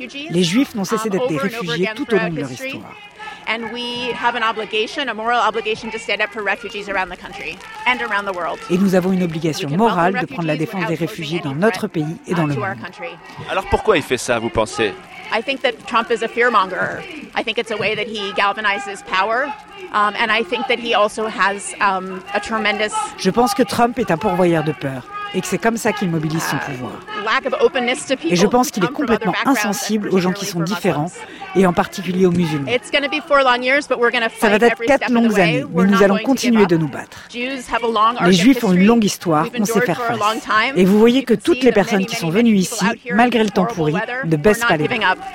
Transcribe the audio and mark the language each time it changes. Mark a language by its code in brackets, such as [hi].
[fr] Les Juifs n'ont cessé d'être des réfugiés tout au long de leur histoire. [en] And we have an obligation, a moral obligation, to stand up for refugees around the country and around the world. [fr] Et nous avons une obligation morale de prendre la défense des réfugiés dans notre pays et dans le monde. Alors pourquoi il fait ça, vous pensez? [en] I think that Trump is a fearmonger. I think it's a way that he galvanizes power. And I think that he also has a tremendous. [fr] Je pense que Trump est un pourvoyeur de peur. Et que c'est comme ça qu'il mobilise son pouvoir. Et je pense qu'il est complètement insensible aux gens qui sont différents, et en particulier aux musulmans. Ça va être 4 longues années, mais nous allons continuer de nous battre. Les Juifs ont une longue histoire, on sait faire face. Et vous voyez que toutes les personnes qui sont venues ici, malgré le temps pourri, ne baissent pas les bras.